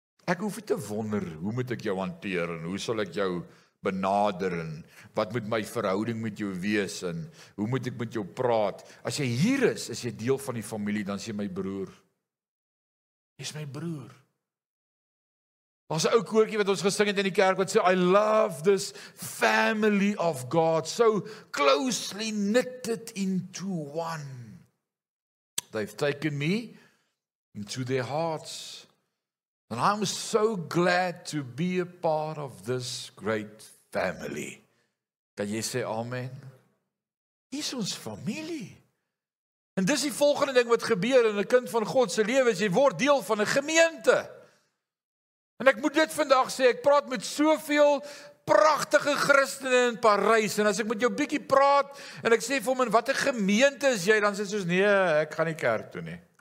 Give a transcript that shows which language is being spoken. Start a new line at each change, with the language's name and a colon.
Afrikaans: Ek hoef te wonder, hoe moet ek jou hanteer, en hoe sal ek jou benader, en wat moet my verhouding met jou wees, en hoe moet ek met jou praat, as jy hier is, is jy deel van die familie, dan is jy my broer, jy is my broer. Daar's 'n ou koortjie wat ons gesing het in die kerk, wat sê,
English: I love this family of God, so closely knitted into one, they've taken me into their hearts, and I'm so glad to be a part of this great family.
Afrikaans: Kan jy sê amen? Hier is ons familie. En dis die volgende ding wat gebeur in 'n kind van God se lewe, is jy word deel van 'n gemeente. En ek moet dit vandag sê, ek praat met soveel pragtige Christene in Parys, en as ek met jou bietjie praat, en ek sê vir hom, in watter gemeente is jy, dan sê soos, nee, ek gaan nie kerk toe nie.